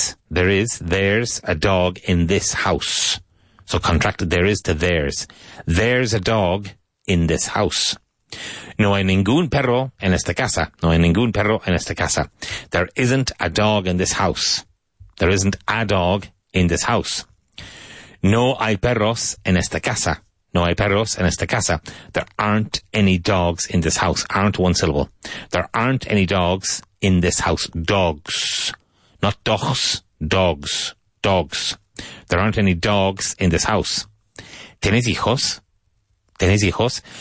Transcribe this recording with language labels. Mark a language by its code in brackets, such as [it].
[en] There's a dog in this house. So contracted there is to theirs. There's a dog in this house. [es] No hay ningún perro en esta casa. No hay ningún perro en esta casa. [en] There isn't a dog in this house. There isn't a dog in this house. [es] No hay perros en esta casa. No hay perros en esta casa. [en] There aren't any dogs in this house. Aren't one syllable. There aren't any dogs in this house. Dogs. Not dogs. Dogs. Dogs. There aren't any dogs in this house. [es] ¿Tienes hijos? ¿Tienes hijos?